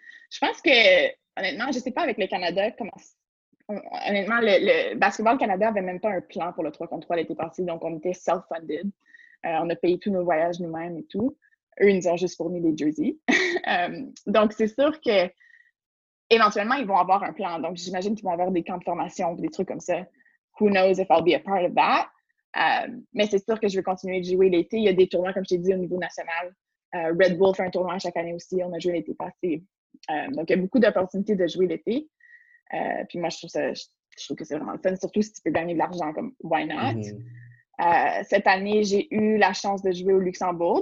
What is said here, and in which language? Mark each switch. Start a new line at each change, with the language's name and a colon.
French: je pense que, honnêtement, je ne sais pas avec le Canada comment. Honnêtement, le basketball Canada n'avait même pas un plan pour le 3 contre 3 l'été passé, donc on était self-funded. On a payé tous nos voyages nous-mêmes et tout. Eux, ils nous ont juste fourni des jerseys. donc, c'est sûr que éventuellement, ils vont avoir un plan. Donc, j'imagine qu'ils vont avoir des camps de formation, des trucs comme ça.
English: Who knows if I'll be a part of that?
French: Mais c'est sûr que je vais continuer de jouer l'été. Il y a des tournois, comme je t'ai dit, au niveau national. Red Bull fait un tournoi chaque année aussi. On a joué l'été passé. Donc, il y a beaucoup d'opportunités de jouer l'été. Puis moi, je trouve que c'est vraiment le fun, surtout si tu peux gagner de l'argent, comme «
English: why not?
French: Mm-hmm. » cette année, j'ai eu la chance de jouer au Luxembourg.